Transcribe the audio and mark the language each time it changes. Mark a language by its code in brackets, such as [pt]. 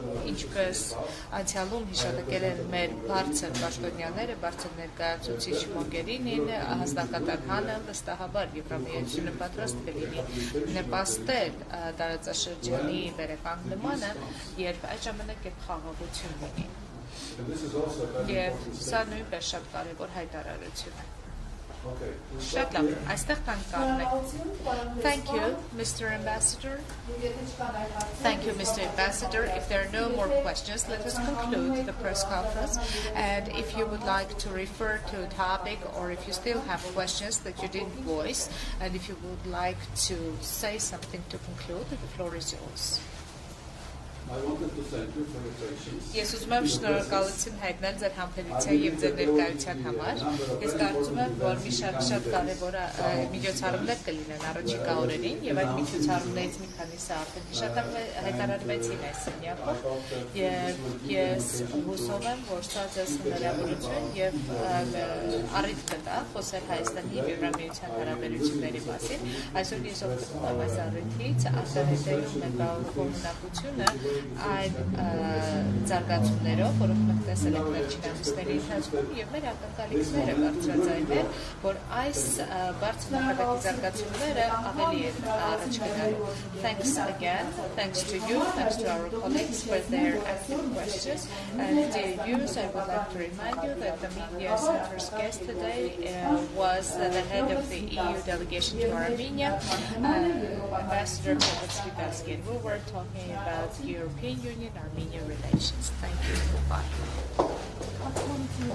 [hy] ինչպես անցյալում հիշատակել են մեր բարձր պաշտոնյաները, բարձր ներկայացուցիչ Մոգերինին, հանձնակատար Հանը, վստահաբար Եվրամիությունը պատրաստ կլինի նպաստել տարածաշրջանի վերականգնմանը, երբ այդ ժամանակ երբ խաղաղություն լինի, և սա նույնպես շատ կարևոր հայտարարություն է։ Շատ լավ, այստեղ կան կարնեք։ [en] Thank you, Mr. Ambassador. Thank you, Mr. Ambassador. If there are no more questions, let us conclude the press conference. And if you would like to refer to a topic, or if you still have questions that you didn't voice, and if you would like to say something to conclude, the floor is yours. [hy] Ես ուզում եմ շնորհակալություն հայտնել ձեր համբերության և ձեր ներկայության համար։ Ես կարծում եմ, որ մի շարք շատ կարևոր միջոցառումներ կլինեն առաջիկա օրերին, և այդ միջոցառումներից մի քանիսը արդեն հայտարարվեցին այս սենյակում, և ես հուսով եմ, որ սա ձեզ հնարավորություն և առիթ կտա խոսել Հայաստանի և Եվրամիության հարաբերությունների մասին։ Այսօր ես օգտվում եմ այս առիթից, արտահայտելու մեկնաբանությունը այդ զարգացումներով, որով մենք տեսել ենք վերջին ամիսների ընթացքում, և մեր ակնկալիքները բարձրաձայնել, որ այս բարձր նախագահի զարգացումները ավելի են առաջ գնալու։ [en] Thanks again, thanks to you, thanks to our colleagues for their active questions. And dear viewers, I would like to remind you that the media center's guest today was the head of the EU delegation to Armenia, Ambassador Petrovsky Baskin. We were talking about European Union-Armenia relations. Thank you. Bye.